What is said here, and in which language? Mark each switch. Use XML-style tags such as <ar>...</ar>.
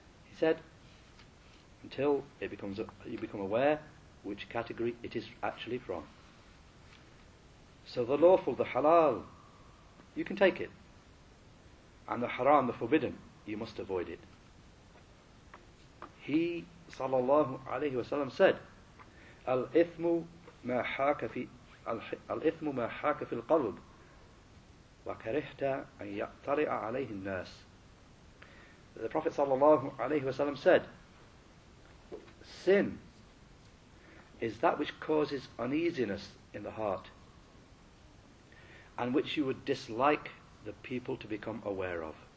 <en>He said, until it becomes you become aware which category it is actually from. So the lawful, the halal, you can take it, and the haram, the forbidden, you must avoid it. He, sallallahu alayhi wa sallam, said,</en> <ar>الإثم ما حاك في القلب وكرهت أن يطرئ عليه الناس.</ar> <en>The Prophet sallallahu alayhi wa sallam said, sin is that which causes uneasiness in the heart and which you would dislike the people to become aware of.</en>